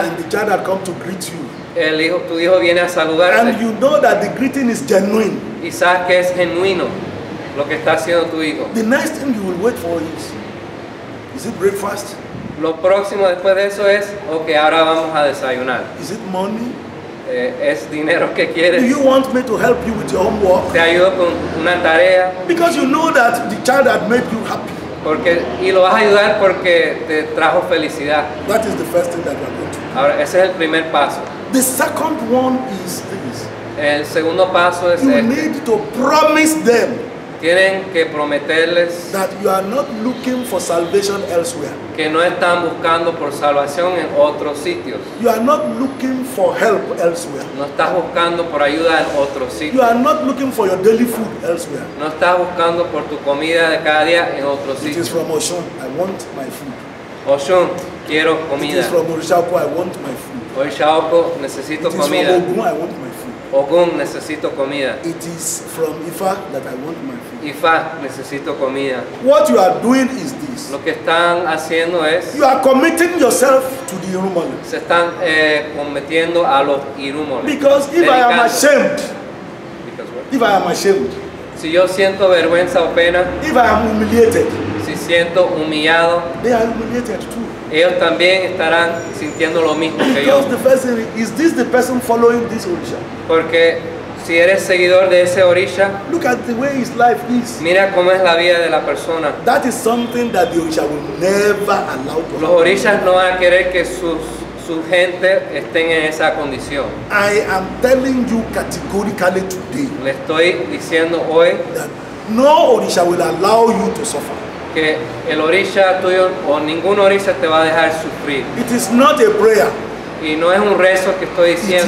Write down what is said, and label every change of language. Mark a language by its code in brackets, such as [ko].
[en] and the child has come to greet you, [es] el hijo, tu hijo viene a saludarte, [en] and you know that the greeting is genuine, [es] y sabes que es genuino lo que está haciendo tu hijo. [en] The next thing you will wait for is it breakfast? [es] Lo próximo después de eso es, okay, ahora vamos a desayunar. [en] Is it money? [es] Es dinero que quieres. [en] Do you want me to help you with your homework? [es] Te ayudo con una tarea. [en] Because you know that the child had made you happy. [es] Porque, y lo vas a ayudar porque te trajo felicidad. [en] That is the first thing that you are going to do. [es] Ahora, ese es el primer paso. [en] The second one is this. [es] El segundo paso es [en] you need to promise them. [es] Tienen que prometerles [en] that you are not looking for salvation elsewhere. [es] Que no están buscando por salvación en otros sitios. [en] You are not looking for help elsewhere. [es] No estás buscando por ayuda en otros sitios. [en] You are not looking for your daily food elsewhere. [es] No estás buscando por tu comida de cada día en otros sitios. [en] It is from Oshun. I want my food. [es] Oshun, quiero comida. [en] It is from Oshawko. I want my food. [es] Oshawko, necesito [en] it [es] comida. [en] It is from Ogun. I want my food. [es] Ogun, necesito comida. [en] It is from Ifa that I want my food. [es] Ifa, necesito comida. [en] What you are doing is this. [es] Lo que están haciendo es. [en] You are committing yourself to the Irumole. [es] Se están cometiendo a los Irumole. [en] Because if [es] dedicando. [en] I am ashamed. Because what? If I am ashamed. [es] Si yo siento vergüenza o pena. [en] If I am humiliated. [es] Si siento humillado. [en] They are humiliated too. [es] Ellos también estarán sintiendo lo mismo que [en] because [es] yo. [en] The person, is this the person following this orisha? [es] Porque si eres seguidor de ese orisha, [en] look at the way his life is. [es] Mira cómo es la vida de la persona. [en] That is something that the orisha will never allow. [es] Los orishas no van a querer que su gente estén en esa condición. [en] I am telling you categorically today. [es] Le estoy diciendo hoy [en] that no orisha will allow you to suffer. [es] Que el orisha tuyo o ningún orisha te va a dejar sufrir. [en] It is not a prayer. [es] Y no es un rezo que estoy diciendo.